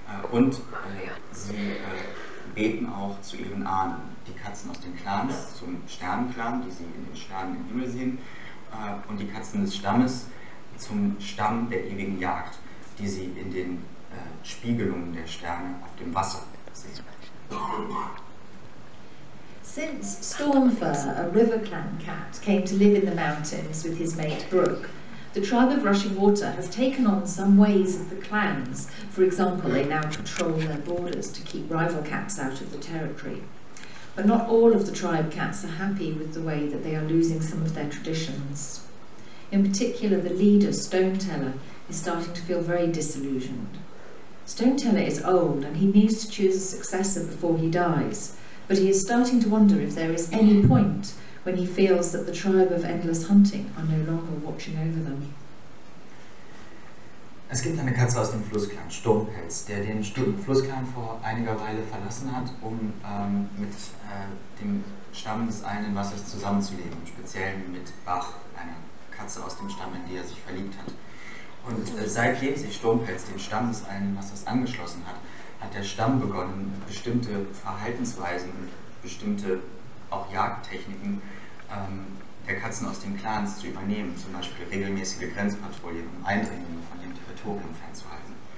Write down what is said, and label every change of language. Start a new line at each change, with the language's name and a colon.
German: Und sie beten auch zu ihren Ahnen. Die Katzen aus den Clans, zum Sternenclan, die sie in den Sternen im Himmel sehen, und die Katzen des Stammes, zum Stamm der ewigen Jagd, die sie in den Spiegelungen der Sterne auf dem Wasser sehen.
English: Since Stormfur, a river clan cat, came to live in the mountains with his mate Brook, the tribe of Rushing Water has taken on some ways of the clans. For example, they now control their borders to keep rival cats out of the territory. But not all of the tribe cats are happy with the way that they are losing some of their traditions. In particular, the leader, Stone Teller, is starting to feel very disillusioned. Stone Teller is old and he needs to choose a successor before he dies, but he is starting to wonder if there is any point when he feels that the tribe of endless hunting are no longer watching over them.
German: Es gibt eine Katze aus dem Flussclan, Sturmpelz, der den Flussclan vor einiger Weile verlassen hat, um mit dem Stamm des einen Wassers zusammenzuleben, speziell mit Bach, einer Katze aus dem Stamm, in die sich verliebt hat. Und seitdem sich Sturmpelz dem Stamm des einen Wassers angeschlossen hat, hat der Stamm begonnen, bestimmte Verhaltensweisen und bestimmte auch Jagdtechniken der Katzen aus den Clans zu übernehmen, zum Beispiel regelmäßige Grenzpatrouillen, um Eindringlinge von dem Territorium fernzuhalten.